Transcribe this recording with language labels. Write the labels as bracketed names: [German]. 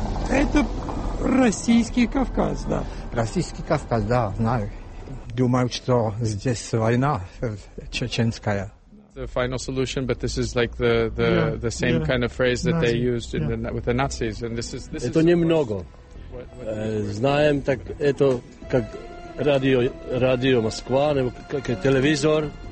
[Russian] Это российский Кавказ, да. Российский Кавказ, да, знаю. Думаю, что здесь война чеченская. [English] The final solution, but this is like the same kind of phrase that they used in the, with the Nazis, and this is this. [Russian] Это немного. Знаем, так это как радио Москва, как телевизор.